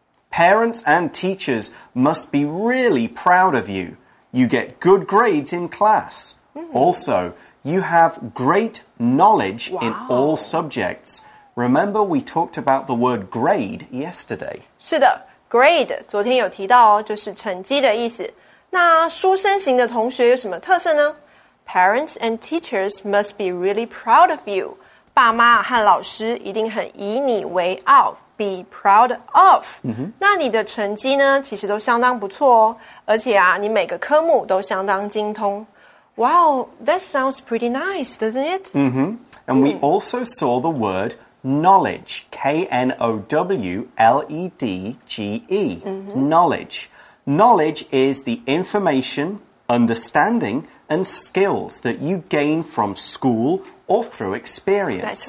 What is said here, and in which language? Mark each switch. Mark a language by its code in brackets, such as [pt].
[en] Parents and teachers must be really proud of you. You get good grades in class. Also, you have great knowledge in all subjects. Remember, we talked about the word grade yesterday. [zh] 是的 ,grade, 昨天有提到哦，就是成绩的意思。那书生型的同学有什么特色呢？ [en] Parents and teachers must be really proud of you. [zh] 爸妈和老师一定很以你为傲 , [en] be proud of. [zh] 那你的成绩呢，其实都相当不错哦，而且啊，你每个科目都相当精通。 [en] Wow, that sounds pretty nice, doesn't it? And we also saw the wordKnowledge, K-N-O-W-L-E-D-G-E, knowledge. Knowledge is the information, understanding, and skills that you gain from school or through experience.